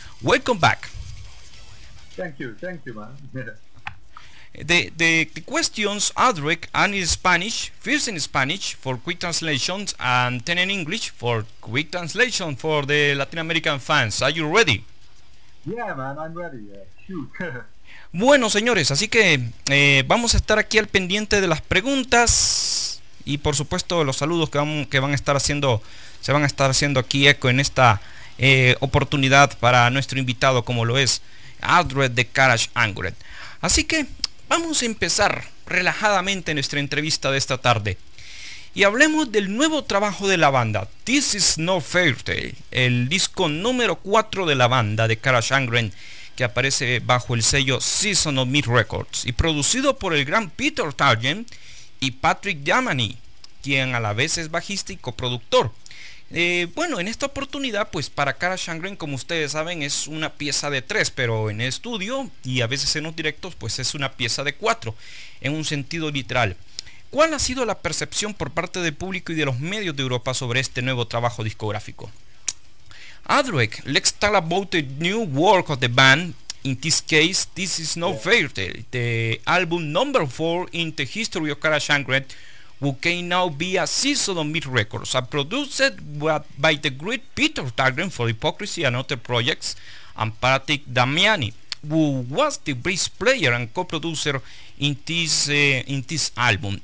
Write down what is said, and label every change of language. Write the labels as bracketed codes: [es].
[en] Welcome back. Thank you, man. the questions, Aldrich, are in Spanish, first in Spanish for quick translations, and then in English for quick translation for the Latin American fans. Are you ready? Yeah, man, I'm ready. Shoot. [es] Bueno, señores, así que vamos a estar aquí al pendiente de las preguntas y por supuesto los saludos que van a estar haciendo aquí eco en esta oportunidad para nuestro invitado, como lo es Adred de Carach Angren. Así que vamos a empezar relajadamente nuestra entrevista de esta tarde y hablemos del nuevo trabajo de la banda, This Is No Fair Tale, el disco número 4 de la banda de Carach Angren, que aparece bajo el sello Season of Meat Records y producido por el gran Peter Targen y Patrick Yamani, quien a la vez es bajista y coproductor. Bueno, en esta oportunidad, pues para Carach Angren, como ustedes saben, es una pieza de 3, pero en estudio y a veces en los directos, pues es una pieza de 4, en un sentido literal. ¿Cuál ha sido la percepción por parte del público y de los medios de Europa sobre este nuevo trabajo discográfico? [en] Adric, let's talk about the new work of the band, in this case, This Is No Fair Tale, the album number 4 in the history of Carach Angren, who can now be a Season of Meat Records, and produced by the great Peter Targen for Hypocrisy and Other Projects, and Patrick Damiani, who was the bass player and co-producer in this album.